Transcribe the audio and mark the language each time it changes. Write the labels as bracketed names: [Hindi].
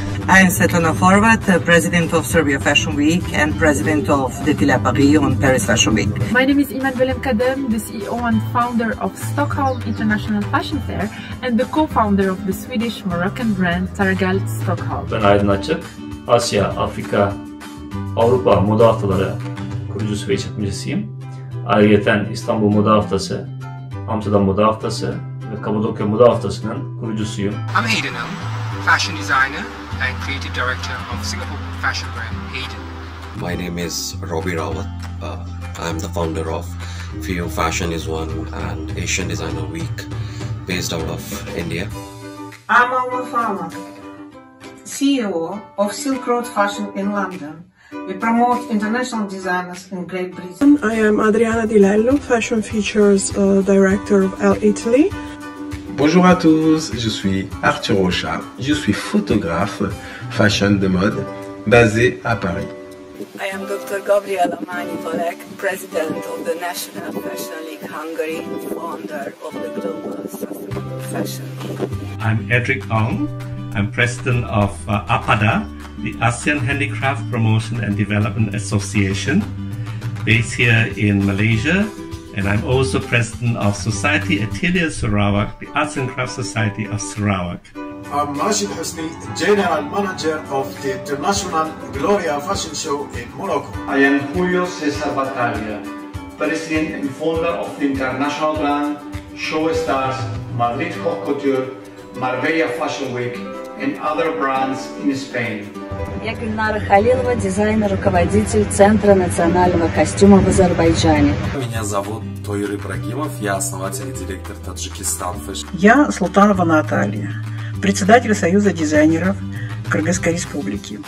[English] I am Svetlana Horvat, President of Serbia Fashion Week and President of Detila Paris on Paris Fashion Week. My name is Iman Velemkadem, the CEO and founder of Stockholm International Fashion Fair and the co-founder of the Swedish-Moroccan brand Targal Stockholm. [Turkish] Ben Aydın Açık, Asya, Afrika, Avrupa Moda Haftaları kurucusu ve işletmecisiyim. Ayrıca İstanbul Moda Haftası, Amsterdam Moda Haftası ve Kapadokya Moda Haftası'nın kurucusuyum. [English] I'm Aydın Hanım, fashion designer and creative director of Singapore fashion brand Aydın. My name is Robbie Rawat. I'm the founder of Feel Fashion is One and Asian Designer Week based out of India. I'm Alma Farmer, CEO of Silk Road Fashion in London. We promote international designers in Great Britain. I am Adriana Di Lello, Fashion Features Director of Elle Italy. [French] Bonjour à tous, je suis Arthur Rocha. Je suis photographe fashion de mode basé à Paris. [English] I am Dr. Gabriela Mani-Valek, President of the National Fashion League Hungary, founder of the Global Fashion League. I'm Edric Ong. I'm President of APADA, the ASEAN Handicraft Promotion and Development Association, based here in Malaysia. And I'm also President of Society Atelier Sarawak, the Arts and Crafts Society of Sarawak. I'm Rashid Husni, General Manager of the International Gloria Fashion Show in Morocco. I am Julio Cesar Battaglia, President and Founder of the international brand Show Stars, Madrid Haute Couture, Marbella Fashion Week, and other brands in Spain. [Russian] Я Гульнара Халилова, дизайнер-руководитель Центра национального костюма в Азербайджане. Меня зовут Тойр Ибрагимов, я основатель и директор Таджикистан Фэшн. Я Султанова Наталья, председатель Союза дизайнеров Кыргызской Республики.